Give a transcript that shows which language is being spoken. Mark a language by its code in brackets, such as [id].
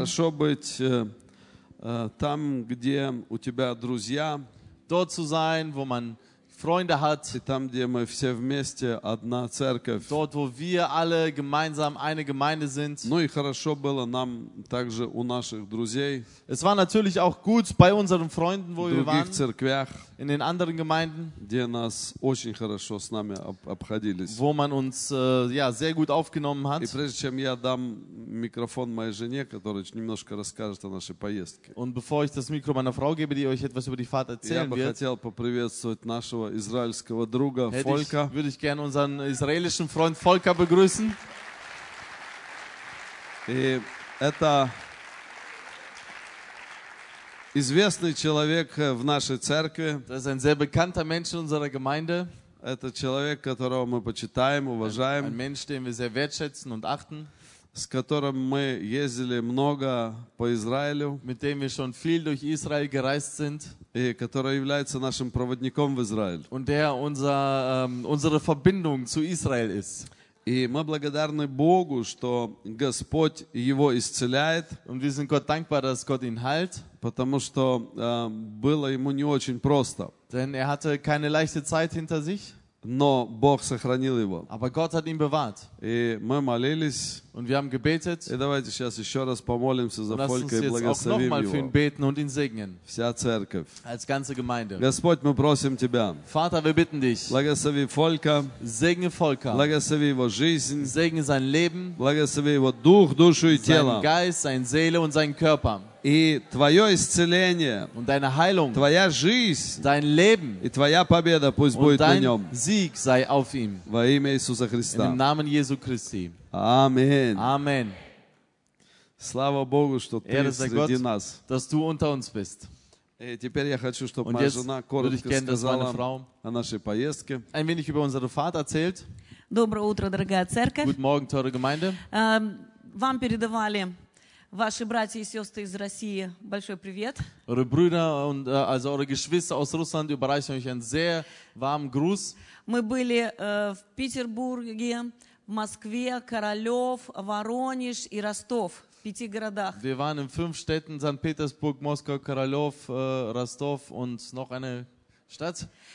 [ru] Хорошо быть там, где у тебя друзья. [de] Dort zu sein, wo man Freunde hat. [ru] И там, где мы все вместе, одна церковь. [de] Dort, wo wir alle gemeinsam eine Gemeinde sind. [ru] Ну и хорошо было нам также у наших друзей. [de] Es war natürlich auch gut bei unseren Freunden, wo wir waren. [ru] В других церквях. [de] In den anderen Gemeinden. [ru] Где нас очень хорошо с нами обходились. [de] Wo man uns ja, sehr gut aufgenommen hat. [ru] И прежде чем я дам микрофон моей жене, которая немножко расскажет о нашей поездке. [de] Und bevor ich das Mikro meiner Frau gebe, die euch etwas über die Fahrt erzählen wird. [ru] Я бы хотел поприветствовать нашего израильского друга Фолька. [de] Würde ich gerne unseren israelischen Freund Volker begrüßen. [ru] И это известный человек в нашей церкви. [de] Das ist ein sehr bekannter Mensch in unserer Gemeinde. [ru] Это человек, которого мы почитаем, уважаем. [de] Ein Mensch, den wir sehr wertschätzen und achten. [ru] С которым мы ездили много по Израилю. [de] Mit dem wir schon viel durch Israel gereist sind. [ru] И который является нашим проводником в Израиль. [de] Und der unser, unsere Verbindung zu Israel ist. [ru] И мы благодарны Богу, что Господь его исцеляет. [de] Und wir sind Gott dankbar, dass Gott ihn heilt. [ru] Потому что было ему не очень просто. [de] Denn er hatte keine leichte Zeit hinter sich. [ru] Но Бог сохранил его. [de] Aber Gott hat ihn bewahrt. [ru] И мы молились. [de] Und wir haben gebetet. [ru] И давайте сейчас еще раз помолимся за Фолька и благословим его. [de] Noch mal für ihn beten und ihn segnen. [ru] Вся церковь. [de] Als ganze Gemeinde. [ru] Господь, мы просим тебя. [de] Vater, wir bitten dich. [ru] Благослови Фолька. [de] Segne Volker. [ru] Благослови его жизнь. [de] Segne sein Leben. [ru] Благослови его дух, душу и тело. [de] Sein Geist, seine Seele und seinen Körper. [ru] И твое исцеление, [de] und deine Heilung, [ru] твоя жизнь, [de] dein Leben, [ru] и твоя победа пусть будет [de] dein [ru] на нем. [de] Sieg sei auf ihm. [ru] Во имя Иисуса Христа. [de] In dem Namen Jesu Christi. [ru] Аминь. Аминь. Слава Богу, что ты [de] Ehre [ru] среди [de] Gott, [ru] нас. [de] Dass du unter uns bist. [ru] И теперь я хочу, чтобы моя жена коротко сказала о нашей поездке. [de] Ein wenig über unsere Fahrt erzählt. [ru] Доброе утро, дорогая церковь. [de] Guten Morgen, teure Gemeinde. [ru] Вам передавали ваши братья и сестры из России большой привет. [de] Eure Brüder und also eure Geschwister aus Russland überreichen euch einen sehr warmen Gruß. [ru] Мы были в Петербурге, в Москве, Королёв, Воронеж и Ростов, в пяти городах. [de] Wir waren in fünf Städten: Санкт-Петербург, Moskau, Королёв, Ростов und noch eine Stadt.